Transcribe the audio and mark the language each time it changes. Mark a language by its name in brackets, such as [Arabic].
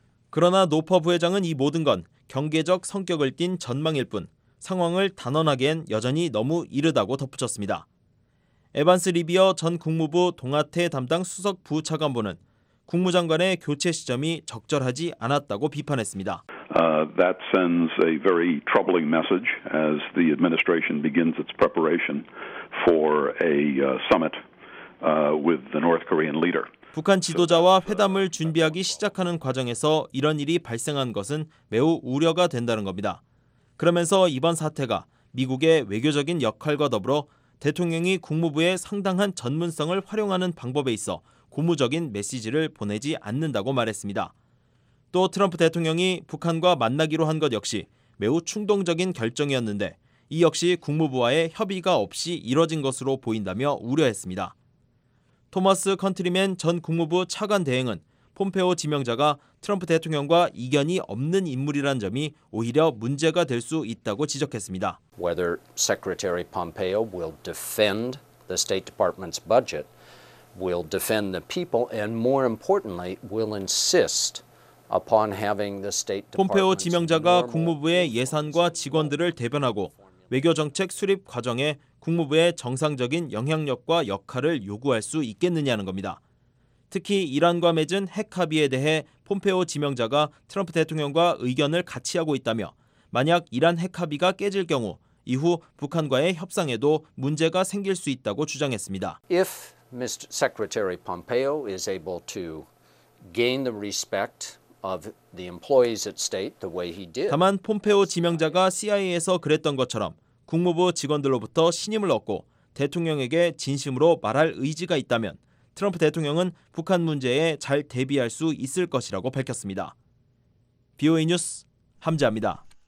[Korean] 그러나 노퍼 부회장은 이 모든 건 경계적 성격을 띈 전망일 뿐 상황을 단언하기엔 여전히 너무 이르다고 덧붙였습니다. 에반스 리비어 전 국무부 동아태 담당 수석 부차관보는 국무장관의 교체 시점이 적절하지 않았다고 비판했습니다. [English] That sends a very troubling message as the administration begins its preparation for a summit with the North Korean leader. [Korean] 북한 지도자와 회담을 준비하기 시작하는 과정에서 이런 일이 발생한 것은 매우 우려가 된다는 겁니다. 그러면서 이번 사태가 미국의 외교적인 역할과 더불어 대통령이 국무부의 상당한 전문성을 활용하는 방법에 있어 고무적인 메시지를 보내지 않는다고 말했습니다. 또 트럼프 대통령이 북한과 만나기로 한 것 역시 매우 충동적인 결정이었는데 이 역시 국무부와의 협의가 없이 이뤄진 것으로 보인다며 우려했습니다. 토마스 컨트리맨 전 국무부 차관 대행은 폼페오 지명자가 트럼프 대통령과 이견이 없는 인물이라는 점이 오히려 문제가 될 수 있다고 지적했습니다. [English] Whether Secretary Pompeo will defend the State Department's budget, will defend the people, and more importantly, will insist upon having the State Department. [Korean] 폼페오 지명자가 국무부의 예산과 직원들을 대변하고 외교정책 수립 과정에 국무부의 정상적인 영향력과 역할을 요구할 수 있겠느냐는 겁니다. 특히 이란과 맺은 핵 합의에 대해 폼페오 지명자가 트럼프 대통령과 의견을 같이 하고 있다며 만약 이란 핵 합의가 깨질 경우 이후 북한과의 협상에도 문제가 생길 수 있다고 주장했습니다. [English] If Mr. Secretary Pompeo is able to gain the respect of the employees at state the way he did. [Korean] 다만 폼페오 지명자가 CIA에서 그랬던 것처럼 국무부 직원들로부터 신임을 얻고 대통령에게 진심으로 말할 의지가 있다면 트럼프 대통령은 북한 문제에 잘 대비할 수 있을 것이라고 밝혔습니다. BOA 뉴스 함재합니다.